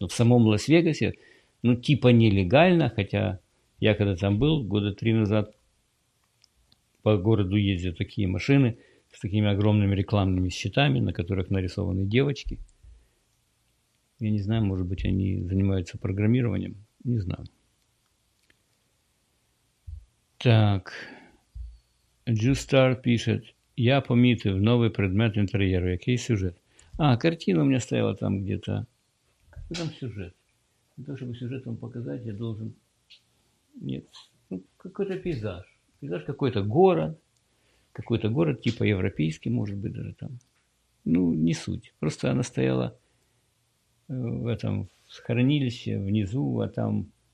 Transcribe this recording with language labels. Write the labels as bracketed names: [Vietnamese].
[Russian] Но в самом Лас-Вегасе, ну, типа нелегально, хотя я когда там был, 3 года назад, по городу ездят такие машины с такими огромными рекламными щитами, на которых нарисованы девочки. Я не знаю, может быть, они занимаются программированием, не знаю. Так... [Ukrainian] Джустар [Russian] пишет, [Ukrainian] я помітив новий предмет інтер'єру. [Russian] Який сюжет? А, картина у мене стояла там где-то. Ну, там сюжет. Для того, щоб сюжет вам показати, я должен... Нет. Ну, какой-то пейзаж. Пейзаж какой-то город. Какой-то город, типа европейский, может быть, даже там. Ну, не суть. Просто она стояла в этом хранилище внизу, а там...